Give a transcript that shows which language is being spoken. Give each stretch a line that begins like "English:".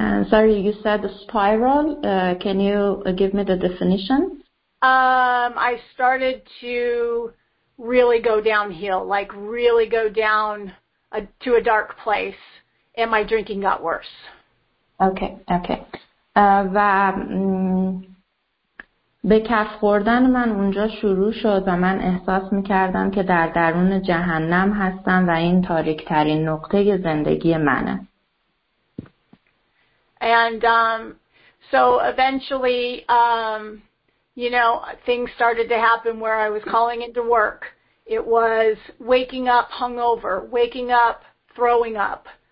English: Sorry, you said the spiral. Can you give me the definition? I started to really go downhill, like really go down to a dark place, and my drinking got worse. Okay.
Persian: و به کف خوردن من اونجا شروع شد و من احساس میکردم که در درون جهنم هستم و این تاریک ترین نقطه زندگی منه.
English: And so eventually, you know, things started to happen where I was calling into work. It was waking up hungover, waking up throwing up.